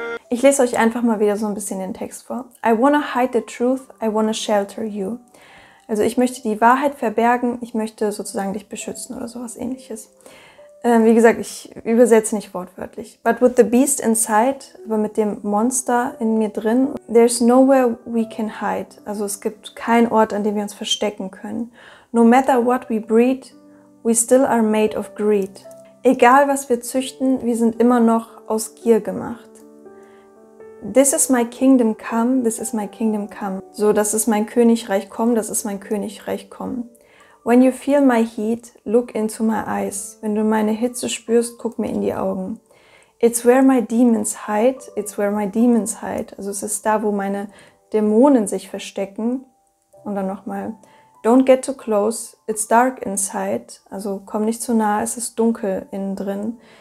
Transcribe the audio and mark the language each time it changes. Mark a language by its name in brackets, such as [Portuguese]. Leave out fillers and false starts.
[German] Ich lese euch einfach mal wieder so ein bisschen den Text vor. [English] I wanna hide the truth, I wanna shelter you. [German] Also ich möchte die Wahrheit verbergen, ich möchte sozusagen dich beschützen oder sowas ähnliches. Wie gesagt, ich übersetze nicht wortwörtlich. [English] But with the beast inside, [German] aber mit dem Monster in mir drin, [English] there's nowhere we can hide. [German] Also es gibt keinen Ort, an dem wir uns verstecken können. [English] No matter what we breed, we still are made of greed. [German] Egal was wir züchten, wir sind immer noch aus Gier gemacht. [English] This is my kingdom come, this is my kingdom come. [German] So, das ist mein Königreich komm, das ist mein Königreich komm. [English] When you feel my heat, look into my eyes. [German] Wenn du meine Hitze spürst, guck mir in die Augen. [English] It's where my demons hide, it's where my demons hide. [German] Also es ist da, wo meine Dämonen sich verstecken. Und dann nochmal. [English] Don't get too close, it's dark inside. [German] Also komm nicht zu nah, es ist dunkel innen drin.